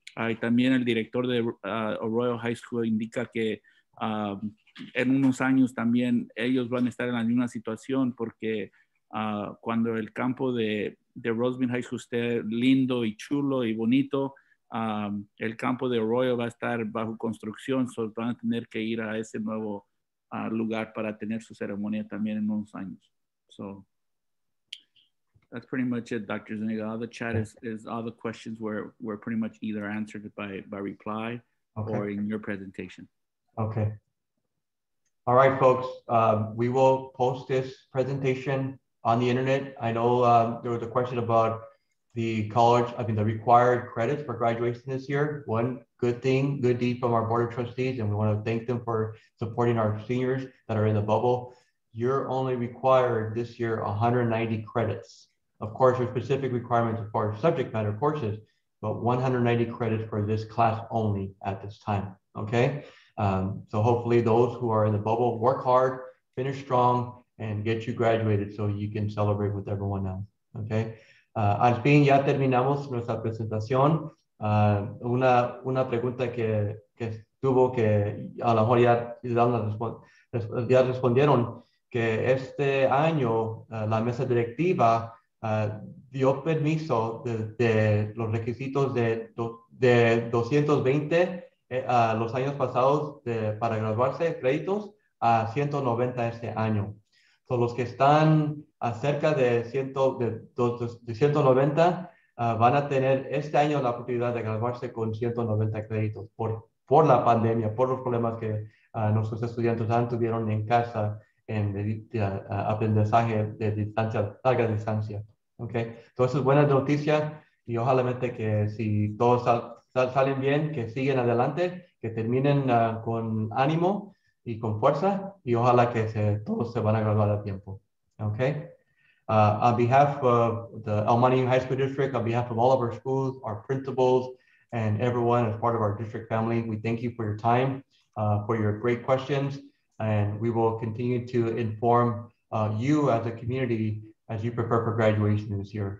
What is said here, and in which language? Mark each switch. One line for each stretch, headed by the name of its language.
Spanish: Y también el director de Arroyo High School indica que en unos años también ellos van a estar en la misma situación porque cuando el campo de Rosemead High School esté lindo y chulo y bonito, El campo de Arroyo va a estar bajo construcción, so van a tener que ir a ese nuevo lugar para tener su ceremonia también en unos años.
English: So that's pretty much it, Dr. Zuniga. All the chat is all the questions were pretty much either answered by reply or in your presentation. Okay. All right, folks, we will post this presentation on the internet. I know there was a question about the required credits for graduation this year. One good thing, good deed from our board of trustees, and we want to thank them for supporting our seniors that are in the bubble. You're only required this year 190 credits. Of course, there's specific requirements for subject matter courses, but 190 credits for this class only at this time, okay? So hopefully those who are in the bubble work hard, finish strong, and get you graduated so you can celebrate with everyone else, okay?
Spanish: Al fin ya terminamos nuestra presentación. Una pregunta que tuvo que a lo mejor ya respondieron que este año la mesa directiva dio permiso de los requisitos de 220 a los años pasados para graduarse créditos a 190 este año. So los que están acerca de 190 van a tener este año la oportunidad de graduarse con 190 créditos por la pandemia, por los problemas que nuestros estudiantes tuvieron en casa en aprendizaje de distancia, larga distancia. Okay. Entonces, buenas noticias y ojalá que si todos salen bien, que siguen adelante, que terminen con ánimo y con fuerza y ojalá que todos se van a graduar a tiempo.
English: Okay. On behalf of the Almani High School District, on behalf of all of our schools, our principals, and everyone as part of our district family, we thank you for your time, for your great questions, and we will continue to inform you as a community as you prepare for graduation this year.